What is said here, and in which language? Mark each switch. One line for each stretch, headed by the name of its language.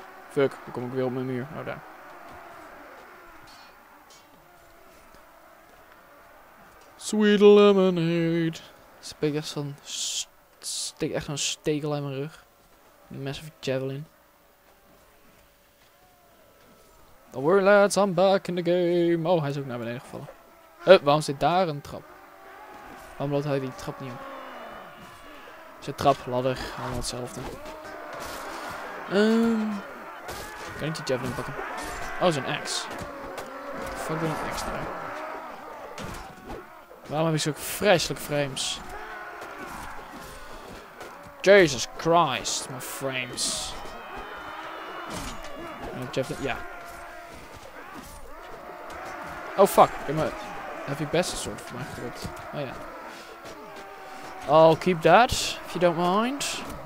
Dutch: Fuck, dan kom ik weer op mijn muur. Oh, daar.
English: Sweet lemonade.
Dutch: Steek echt zo'n stekel in mijn rug.
English: Massive javelin. Don't worry lads, I'm back in the game.
Dutch: Oh, hij is ook naar beneden gevallen. Waarom zit daar een trap? Waarom loopt hij die trap niet op? Is een trap, ladder, allemaal hetzelfde. Kan niet die javelin pakken? Oh, is een axe.
English: What the fuck
Dutch: doet een axe daar? Waarom heb ik zo'n vreselijke frames?
English: Jesus Christ, my frames.
Dutch: Javelin, ja. Oh fuck, ik heb je best een soort van mij gedrukt. Oh ja. Yeah.
English: I'll keep that, if you don't mind.